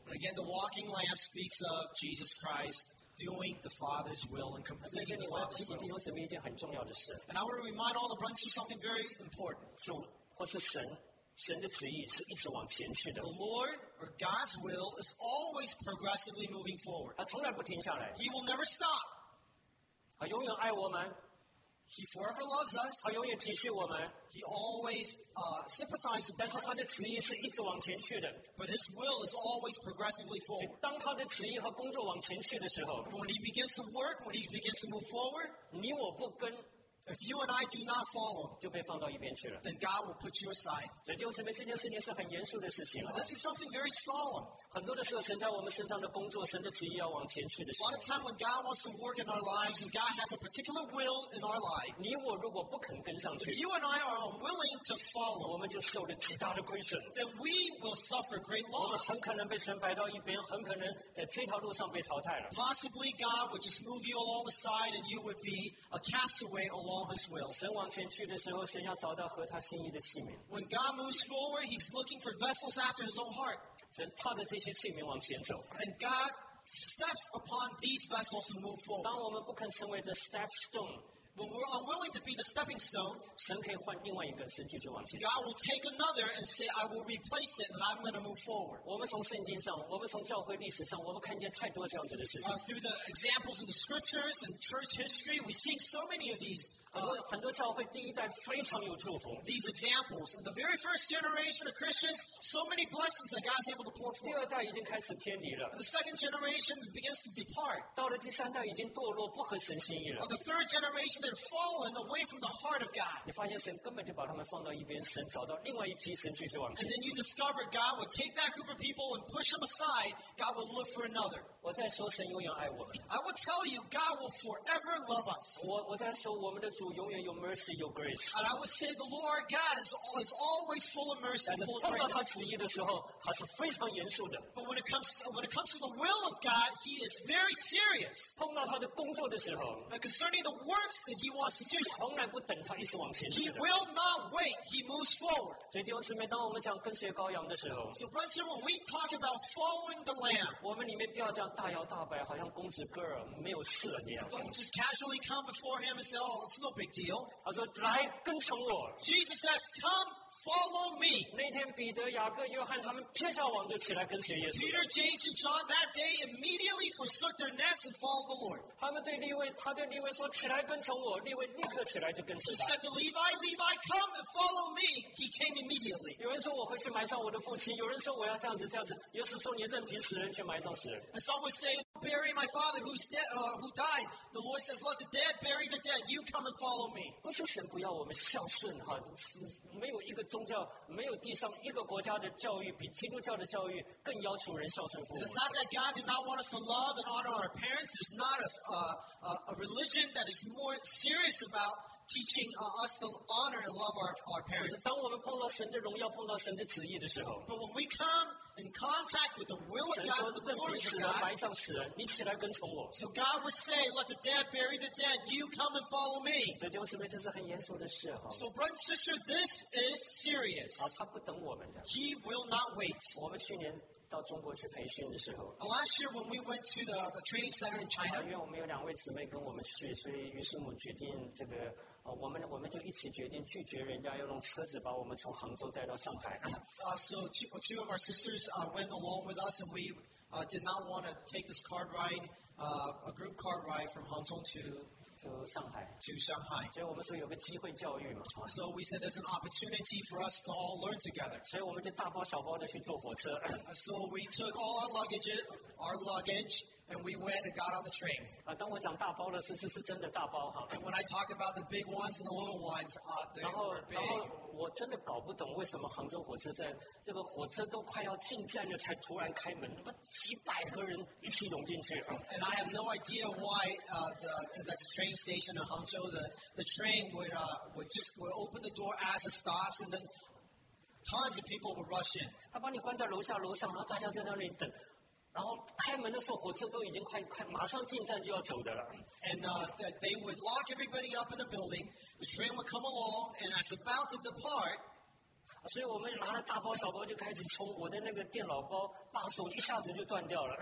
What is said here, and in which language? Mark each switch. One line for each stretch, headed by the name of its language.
English: Again, the walking lamb speaks of Jesus Christ. Doing the Father's will and completing the Father's will.
Chinese: 弟兄姊妹，一件很重要的事。
English: And I want to remind all the brothers of something very important.
Chinese: 主或是神，神的旨意是一直往前去的。
English: The Lord or God's will is always progressively moving forward.
Chinese: 他从来不停下来。
English: He will never stop.
Chinese: 他永远爱我们。
English: He forever loves us.
Chinese: 他永远体恤我们。
English: He always sympathizes with us.
Chinese: 但是他的旨意是一直往前去的。
English: But his will is always progressively forward.
Chinese: 当他的旨意和工作往前去的时候。
English: When he begins to work, when he begins to move forward.
Chinese: 你我不跟
English: If you and I do not follow,
Chinese: 就被放到一边去了。
English: Then God will put you aside.
Chinese: 所以弟兄姊妹，这件事情是很严肃的事情。
English: This is something very solemn.
Chinese: 很多的时候，神在我们身上的工作，神的旨意要往前去的时候。
English: A lot of time when God wants to work in our lives and God has a particular will in our life,
Chinese: 你我如果不肯跟上去
English: ，You and I are unwilling to follow,
Chinese: 我们就受了极大的亏损。
English: Then we will suffer great loss.
Chinese: 我们很可能被神摆到一边，很可能在这条路上被淘汰了。
English: Possibly God would just move you along the side and you would be a castaway along.
Chinese: 神往前去的时候，神要找到合他心意的器皿。
English: When God moves forward, He's looking for vessels after His own heart.
Chinese: 神靠着这些器皿往前走。
English: And God steps upon these vessels to move forward.
Chinese: 当我们不肯成为
English: the step stone, when we're unwilling to be the stepping stone,
Chinese: 神可以换另外一个，神继续往前走。
English: God will take another and say, "I will replace it, and I'm going to move forward."
Chinese: 我们从圣经上，我们从教会历史上，我们看见太多这样子的事情。
English: Through the examples in the scriptures and church history, we see so many of these.
Chinese: 很多教会第一代非常有祝福。
English: These examples, the very first generation of Christians, so many blessings that God's able to pour forth.
Chinese: 第二代已经开始偏离了。
English: The second generation begins to depart.
Chinese: 到了第三代已经堕落，不合神心意了。
English: The third generation they've fallen away from the heart of God.
Chinese: 你发现神根本就把他们放到一边，神找到另外一批，神继续往前。
English: And then you discover God would take that group of people and push them aside. God would look for another.
Chinese: 我在说神永远爱我们。
English: I will tell you, God will forever love us.
Chinese: 我在说我们的主永远有 mercy, 有 grace.
English: And I will say, the Lord God is always full of mercy, full of grace.
Chinese: 但是碰到他旨意的时候，他是非常严肃的。
English: But when it comes to the will of God, He is very serious.
Chinese: 碰到他的工作的时候
English: ，concerning the works that He wants to do,
Chinese: 从来不等他一直往前去。
English: He will not wait. He moves forward.
Chinese: 所以弟兄姊妹，当我们讲跟随羔羊的时候
English: ，So brother, when we talk about following the Lamb,
Chinese: 我们里面不要讲。大摇大摆，好像公子哥儿没有事了那样。
English: Don't just casually come before him and say, "Oh, it's no big deal."
Chinese: 他说：“来跟从我。”
English: Jesus says, "Come, follow me."
Chinese: 那天彼得、雅各、约翰他们撇下网就起来跟随耶稣。
English: Peter, James, and John that day immediately forsook their nets and followed the Lord.
Chinese: 他对利未说：“起来跟从我。” 利未立刻起来就跟随。
English: He said to Levi, "Levi, come and follow me." He came immediately.
Chinese: 有人说我回去埋葬我的父亲，有人说我要这样子这样子。耶稣说：“你任凭死人去埋葬死人。”
English: And some would say, "Bury my father who's dead, who died." The Lord says, "Let the dead bury the dead. You come and follow me."
Chinese: 不是神不要我们孝顺哈，是没有一个宗教，没有地上一个国家的教育比基督教的教育更要求人孝顺父母。
English: It's not that God did not want us to love and honor our parents. There's not a religion that is more serious aboutteaching us to honor and love our parents.
Chinese: 当我们碰到神的荣耀，碰到神的旨意的时候
English: ，But when we come in contact with the will of God, the glory of God,
Chinese: 神说：“任凭死人埋葬死人，你起来跟从我。”
English: So God would say, "Let the dead bury the dead. You come and follow me."
Chinese: 所以弟兄姊妹，这是很严肃的事哈。
English: So brother, sister, this is serious.
Chinese: 啊，他不等我们的。
English: He will not wait.
Chinese: 我们去年。到中国去培训的时候
English: ，Last year when we went to the training center in China，
Chinese: 因为我们有两位姊妹跟我们去，所以于是我们决定这个，我们就一起决定拒绝人家要用车子把我们从杭州带到上海。
English: So two of our sisters went along with us, and we did not want to take this car ride, a group car ride from Hong Kong to Shanghai.
Chinese: 所以我们说有个机会教育嘛。
English: So we said there's an opportunity for us to all learn together.
Chinese: 所以我们就大包小包的去坐火车。
English: So we took all our luggage, and we went and got on the train.
Chinese: 当我讲大包的是真的大包哈。
English: And when I talk about the big ones and the little ones, they were big.
Chinese: 然后我真的搞不懂为什么杭州火车站这个火车都快要进站了才突然开门，那几百个人一起涌进去。
English: And I have no idea why the train station in Hangzhou the train would open the door as it stops and then tons of people would rush in.
Chinese: 他把你关在楼上，然后大家在那里等。然后开门的时候，火车都已经快马上进站就要走的了。
English: And that they would lock everybody up in the building. The train would come along, and as about to depart.
Chinese: 所以我们拿了大包小包就开始冲。我的那个电脑包把手一下子就断掉了。